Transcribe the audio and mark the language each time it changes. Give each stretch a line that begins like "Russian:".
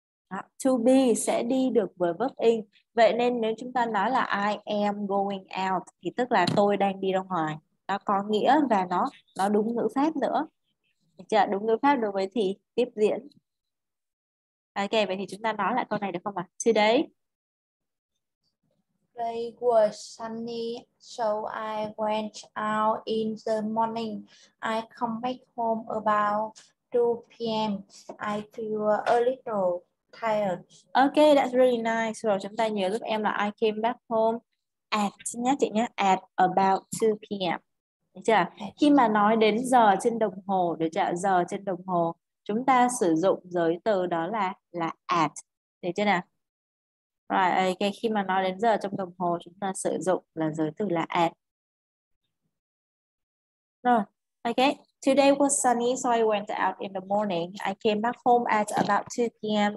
Vietnamese: Đó, to be sẽ đi được với verb in. Vậy nên nếu chúng ta nói là
English: I am going out
Vietnamese: thì tức là tôi đang đi ra ngoài. Nó có nghĩa và nó đúng ngữ pháp nữa. Chưa? Đúng ngữ pháp đối với thì tiếp diễn. Ok, vậy thì chúng ta nói lại câu này được không ạ?
English: Today. Today was sunny, so I went out in the morning. I come back home about 2 p.m. I feel a little tired. Ok, that's really nice.
Vietnamese: Rồi chúng ta nhớ giúp em là
English: I came back home at
Vietnamese: nhé chị nhé,
English: at about 2 p.m.
Vietnamese: Được chưa? Khi mà nói đến giờ trên đồng hồ, được chưa? Giờ trên đồng hồ, chúng ta sử dụng giới từ đó là at. Được chưa nào? Rồi, ok, khi mà nói đến giờ trong đồng hồ, chúng ta sử dụng là giới từ là at. Rồi, ok.
English: Today was sunny, so I went out in the morning. I came back home at about 2 p.m.